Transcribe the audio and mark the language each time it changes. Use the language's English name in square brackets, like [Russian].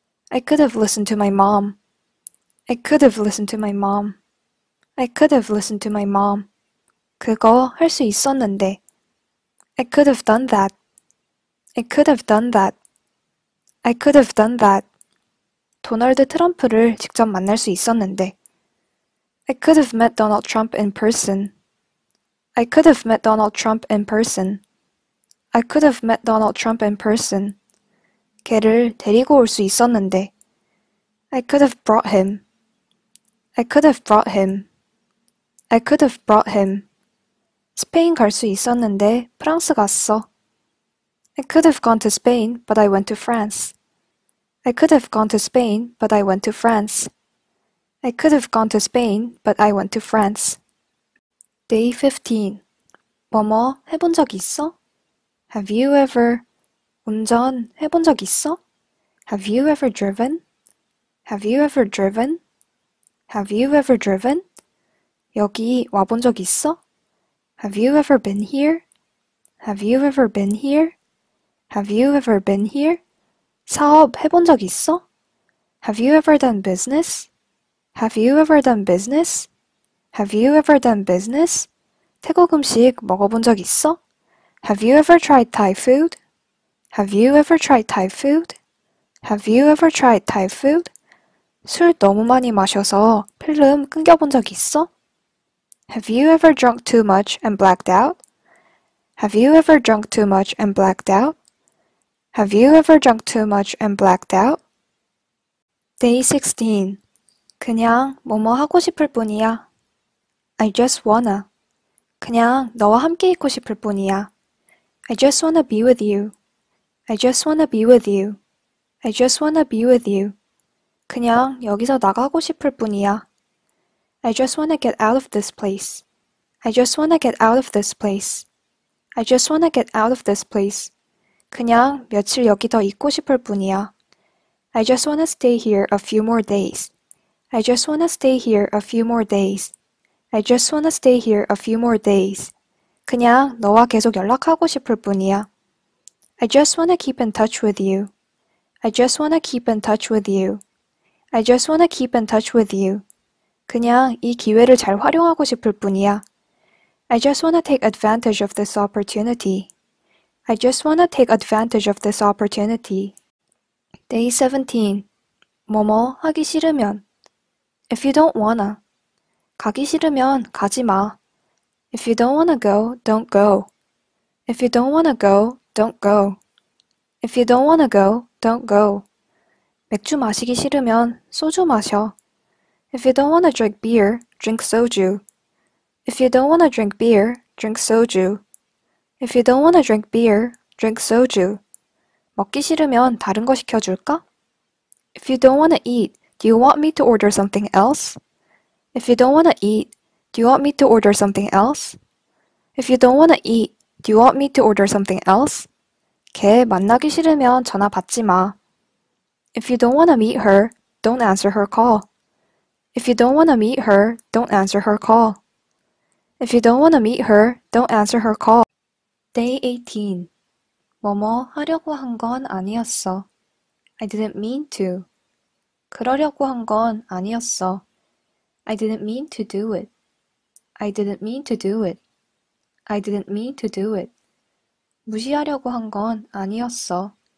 [English] I could have listened to my mom. I could have listened to my mom. I could have listened to my mom. [Korean] 그거 할수 있었는데. [English] I could have done that. I could have done that. I could have done that. [Korean] 도널드 트럼프를 직접 만날 수 있었는데. [English] I could have met Donald Trump in person. I could have met Donald Trump in person. I could have met Donald Trump in person. [Korean] 걔를 데리고 올수 있었는데. [English] I could have brought him. I could have brought him. I could have brought him. [Korean] 스페인 갈수 있었는데 프랑스 갔어. [English] I could have gone to Spain, but I went to France. I could have gone to Spain, but I went to France. I could have gone to Spain, but I went to France. [Korean] Day 15. 뭐뭐 해본 적 있어? [English] Have you ever [Korean] 운전 해본 적 있어? [English] Have you ever driven? Have you ever driven? Have you ever driven? [Korean] 여기 와본 적 있어? [English] Have you ever been here? Have you ever been here? Have you ever been here? [Korean] 사업 해본 적 있어? [English] Have you ever done business? Have you ever done business? Have you ever done business? [Korean] 태국 음식 먹어본 적 있어? [English] Have you ever tried Thai food? Have you ever tried Thai food? Have you ever tried Thai food? [Korean] 술 너무 많이 마셔서 필름 끊겨본 적 있어? [English] Have you ever drunk too much and blacked out? Have you ever drunk too much and blacked out? Have you ever drunk too much and blacked out? Day 16. [Korean] 그냥 뭐뭐 하고 싶을 뿐이야. [English] I just wanna. [Korean] 그냥 너와 함께 있고 싶을 뿐이야. [English] I just wanna be with you. I just wanna be with you. I just wanna be with you. [Korean] 그냥 여기서 나가고 싶을 뿐이야. [English] I just wanna get out of this place. I just wanna get out of this place. I just wanna get out of this place. [Korean] 그냥 며칠 여기 더 있고 싶을 뿐이야. [English] I just wanna stay here a few more days. I just wanna stay here a few more days. I just wanna stay here a few more days. [Korean] 그냥 너와 계속 연락하고 싶을 뿐이야. [English] I just wanna keep in touch with you. I just wanna keep in touch with you. I just wanna keep in touch with you. [Korean] 그냥 이 기회를 잘 활용하고 싶을 뿐이야. [English] I just wanna take advantage of this opportunity. I just wanna take advantage of this opportunity. Day 17. [Korean] 뭐뭐 하기 싫으면. [English] If you don't wanna. [Korean] 가기 싫으면 가지 마. [English] If you don't wanna go, don't go. If you don't wanna go, don't go. If you don't wanna go, don't go. [Korean] 맥주 마시기 싫으면 소주 마셔. [English] If you don't wanna drink beer, drink soju. If you don't wanna drink beer, drink soju. If you don't wanna drink beer, drink soju. [Korean] 먹기 싫으면 다른 거 시켜줄까? [English] If you don't wanna eat, do you want me to order something else? If you don't wanna eat, do you want me to order something else? If you don't wanna eat, do you want me to order something else? [Korean] 걔 만나기 싫으면 전화 받지 마. [English] If you don't wanna meet her, don't answer her call. If you don't wanna meet her, don't answer her call. If you don't wanna meet her, don't answer her call. Day 18. [Korean] 뭐뭐 하려고 한건 아니었어. [English] I didn't mean to. [Korean] 그러려고 한건 아니었어. [English] I didn't mean to do it. I didn't mean to do it. I didn't mean to do it. [Korean] 무시하려고 한건 아니었어.